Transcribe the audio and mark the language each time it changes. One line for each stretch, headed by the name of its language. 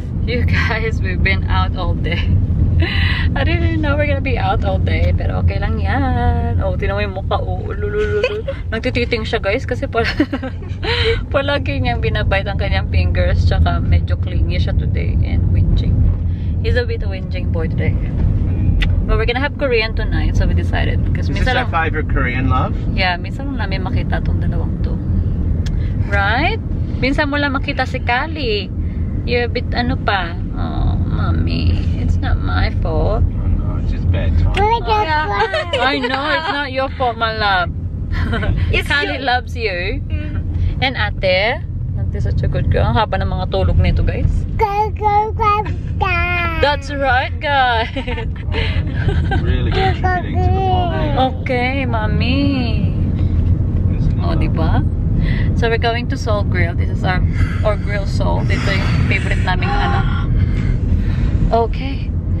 English: You guys, we've been out all day. I didn't even know we're gonna be out all day.
Filipino: Pero okay lang yan. Oh, tinan mo yung mukha. Oh, lululul. Nagtititing siya guys kasi palagi niyang binabite ang kanyang fingers. Tsaka medyo
English: clingy siya today and whinging. He's a bit whinging boy today. But we're gonna have Korean tonight, so we decided. Because is this our five-year Korean love?
Filipino: Yeah, minsan lang namin makita tong dalawang to.
English: Right?
Filipino: Minsan mo lang makita si Kali.
English: You're a bit
Filipino: ano pa.
English: Oh, mommy. It's not my fault. Oh, no, it's just bedtime. Oh, yeah. I know, it's not your fault, my love. Kali loves you. Mm-hmm. And ate. Ate is such a good girl.
Filipino: Ang haba ng mga tulog nito, guys.
English: That's right, guys. Really good treating to the mommy. Okay, mommy. Oh,
Filipino: diba?
English: So we're going to Seoul Grill. This is our grill Seoul.
Filipino: Dito yung favorite naming ano.
English: Okay.